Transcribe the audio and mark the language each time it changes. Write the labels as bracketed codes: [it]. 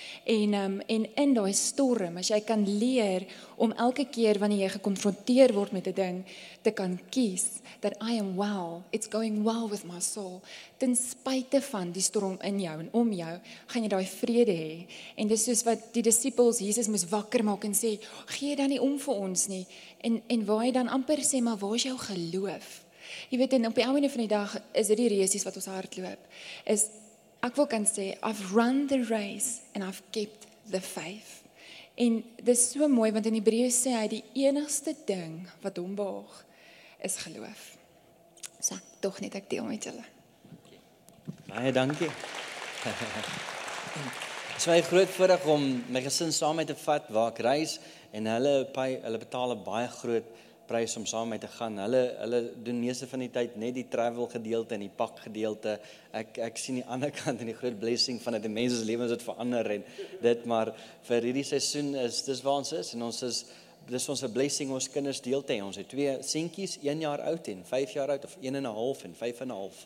[af] En in daai storm, as jy kan leer om elke keer wanneer jy gekonfronteer word met 'n ding, te kan kies, [en] that I am well, it's going well with my soul, [af] ten spyte van die storm in jou en om jou, gaan jy daai vrede hê. En dis soos wat die disciples Jesus moes wakker maak en sê, gee dan nie om vir ons nie. En waar hy dan amper sê, maar waar is jou geloof? Jy weet, en op die einde van die dag is dit die reesies wat ons hart loop. Is, ek wil kan sê, [en] I've run the race and I've kept the faith. [af] En dit is so mooi, want in Hebreeus sê hy, die enigste ding wat hom behaag, is geloof. So, toch net ek deel met julle. Baie dankie. Het is my groot voorreg om my gesin saam met te vat waar ek reis, en hulle betaal baie groot prys om saam met te gaan. Hulle doen meeste van die tyd net die travel gedeelte en die pak gedeelte. Ek sien die ander kant en die groot blessing van dat die mense se lewens het verander en dit, maar vir hierdie seisoen is dis waar ons is en dis ons 'n blessing ons kinders deel te hê. Ons het 2 seentjies, 1 jaar oud en 5 jaar oud of 1 en 'n half en 5 en 'n half.